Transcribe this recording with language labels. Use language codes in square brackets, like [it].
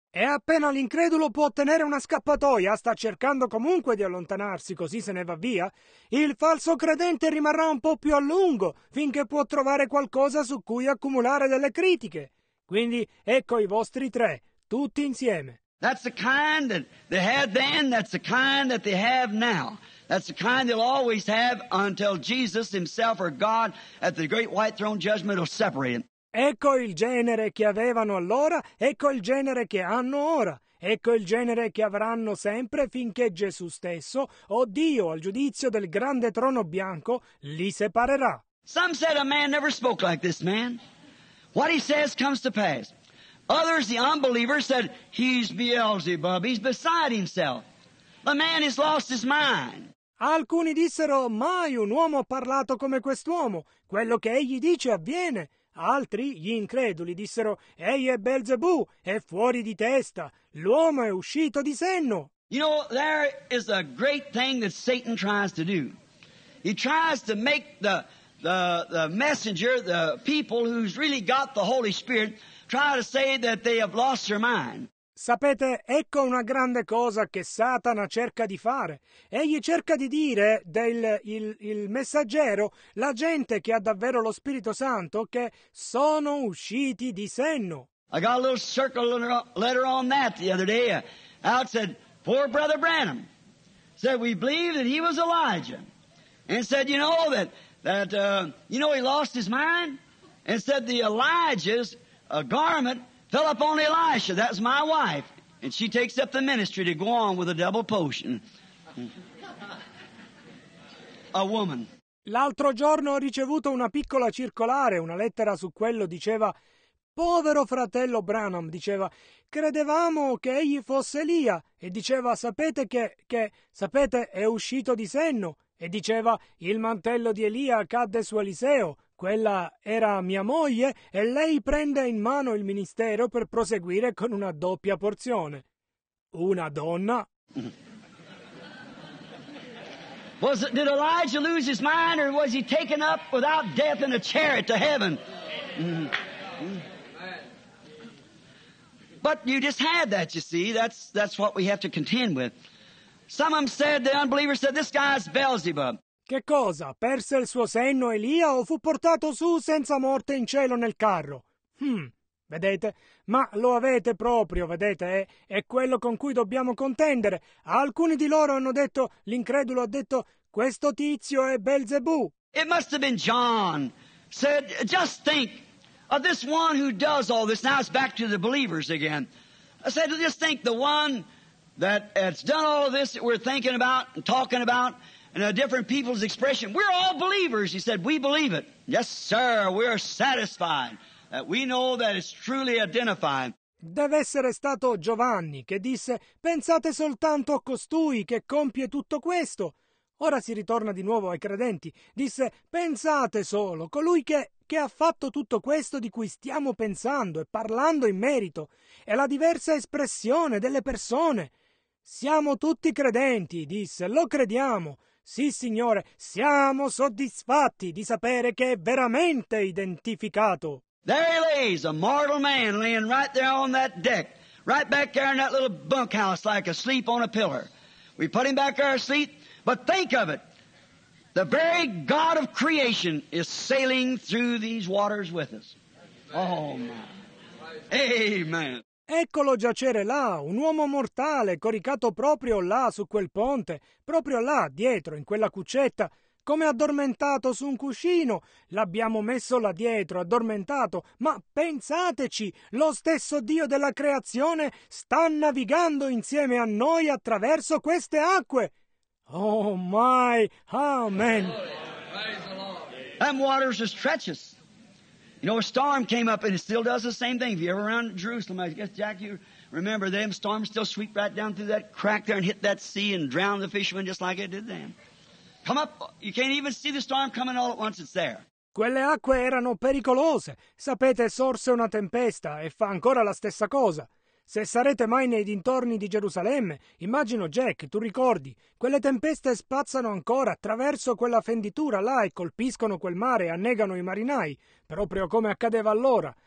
[it] E appena l'incredulo può ottenere una scappatoia, sta cercando comunque di allontanarsi, così se ne va via, il falso credente rimarrà un po' più a lungo, finché può trovare qualcosa su cui accumulare delle critiche. Quindi ecco i vostri tre, tutti insieme. [en] That's the kind that they had then, that's the kind that they have now. That's the kind they'll always have until Jesus himself or God at the great white throne judgment will separate them. [it] Ecco il genere che avevano allora, ecco il genere che hanno ora, ecco il genere che avranno sempre finché Gesù stesso, o Dio, al giudizio del grande trono bianco, li separerà. [en] Some said a man never spoke like this man. What he says comes to pass. Others, the unbeliever, said, he's Beelzebub, he's beside himself. The man has lost his mind. [it] Alcuni dissero, mai un uomo ha parlato come quest'uomo, quello che egli dice avviene. Altri, gli increduli, dissero, ehi, è Belzebù, è fuori di testa, l'uomo è uscito di senno. [en] You know, there is a great thing that Satan tries to do. He tries to make the messenger, the people who's really got the Holy Spirit, try to say that they have lost their mind. [it] Sapete, ecco una grande cosa che Satana cerca di fare. Egli cerca di dire del messaggero, la gente che ha davvero lo Spirito Santo, che sono usciti di senno. [en] I got a little circle letter on that the other day. Out said, poor brother Branham said, we believe that he was Elijah. And said, you know, that he lost his mind? And said, the Elijah's garment fell upon Elisha, that's my wife, and she takes up the ministry to go on with a double potion. A woman. [it] L'altro giorno ho ricevuto una piccola circolare, una lettera su quello, diceva, povero fratello Branham, diceva, credevamo che egli fosse Elia, e diceva, sapete che, sapete, è uscito di senno, e diceva, il mantello di Elia cadde su Eliseo. Quella era mia moglie e lei prende in mano il ministero per proseguire con una doppia porzione. Una donna. [en] Did Elijah lose his mind or was he taken up without death in a chariot to heaven? But you just had that, you see. That's what we have to contend with. Some of them said, the unbeliever said, this guy's Beelzebub. [it] Che cosa? Perse il suo senno Elia o fu portato su senza morte in cielo nel carro? Vedete? Ma lo avete proprio, vedete? È quello con cui dobbiamo contendere. Alcuni di loro hanno detto, l'incredulo ha detto, questo tizio è Belzebù. [en] It must have been John said, just think of this one who does all this. Now it's back to the believers again. I said, just think the one that has done all of this that we're thinking about and talking about and a different people's expression. We're all believers, he said. We believe it. Yes, sir, we're satisfied that we know that it's truly identified. [it] Deve essere stato Giovanni che disse, pensate soltanto a costui che compie tutto questo. Ora si ritorna di nuovo ai credenti. Disse, pensate solo, colui che ha fatto tutto questo di cui stiamo pensando e parlando in merito, è la diversa espressione delle persone. Siamo tutti credenti, disse, lo crediamo. Sì, signore, siamo soddisfatti di sapere che è veramente identificato. [en] There he lays, a mortal man laying right there on that deck, right back there in that little bunkhouse like asleep on a pillar. We put him back there asleep. But think of it, the very God of creation is sailing through these waters with us. Oh, my. Amen. [it] Eccolo giacere là, un uomo mortale, coricato proprio là su quel ponte, proprio là, dietro, in quella cuccetta, come addormentato su un cuscino. L'abbiamo messo là dietro, addormentato, ma pensateci, lo stesso Dio della creazione sta navigando insieme a noi attraverso queste acque. [en] Oh my, amen. That water's just treacherous. You know, a storm came up and it still does the same thing. If you ever around Jerusalem, I guess, Jack, you remember them, storms still sweep right down through that crack there and hit that sea and drown the fishermen just like it did them. Come up, you can't even see the storm coming all at once, it's there. [it] Quelle acque erano pericolose. Sapete, sorse una tempesta e fa ancora la stessa cosa. Se sarete mai nei dintorni di Gerusalemme, immagino Jack, tu ricordi, quelle tempeste spazzano ancora attraverso quella fenditura là e colpiscono quel mare e annegano i marinai, proprio come accadeva allora.